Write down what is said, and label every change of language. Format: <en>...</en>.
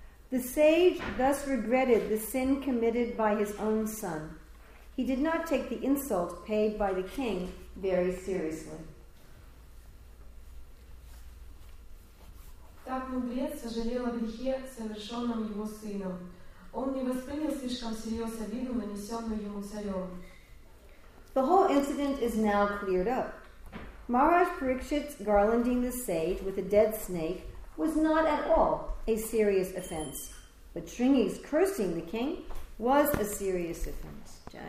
<en>The sage thus regretted the sin committed by his own son. He did not take the insult paid by the king very seriously.</en> <ru>Так мудрец сожалел о грехе, совершенном его сыном. Он не воспринял слишком серьезно обиду, нанесенную ему царем.</ru> <en>The whole incident is now cleared up. Maharaj Parikshit's garlanding the sage with a dead snake was not at all a serious offense. But Sringi's cursing the king was a serious offense.</en>